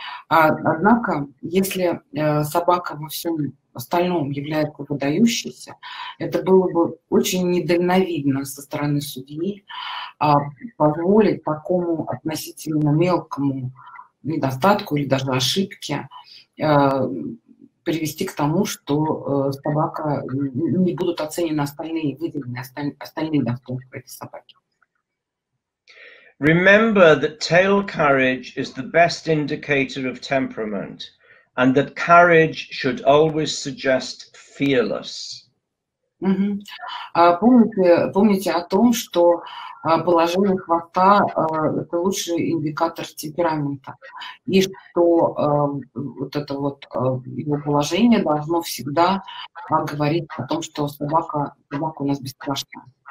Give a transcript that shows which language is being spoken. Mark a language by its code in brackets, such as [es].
[ru] Однако, если собака во всем остальном является выдающейся, это было бы очень недальновидно со стороны судьи позволить такому относительно мелкому недостатку или даже ошибке привести к тому, что собака не будут оценены остальные выделенные остальные достоинства этой собаки. [en] Remember that tail carriage is the best indicator of temperament, and that carriage should always suggest fearless. [ru] Помните о том, что положение хвоста – это лучший индикатор темперамента, и что вот это вот его положение должно всегда говорить о том, что собака у нас бесстрашная.